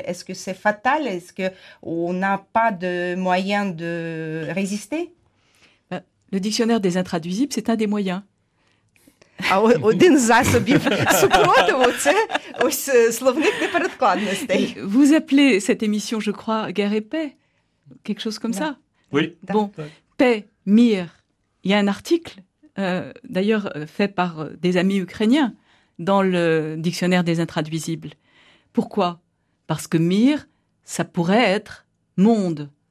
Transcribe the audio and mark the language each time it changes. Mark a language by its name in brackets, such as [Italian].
[French] Est-ce que c'est fatal? Est-ce qu'on n'a pas de moyen de résister? Le dictionnaire des intraduisibles, c'est un des moyens. [Ukrainian] А один з засобів супротиву – це ось словник непередкладностей. [French] Vous appelez cette émission, je crois, guerre et paix? Quelque chose comme ça. Oui. Bon, paix, mir. Il y a un article, d'ailleurs fait par des amis ukrainiens, dans le dictionnaire des intraduisibles. Pourquoi? Parce que mir, ça pourrait être monde.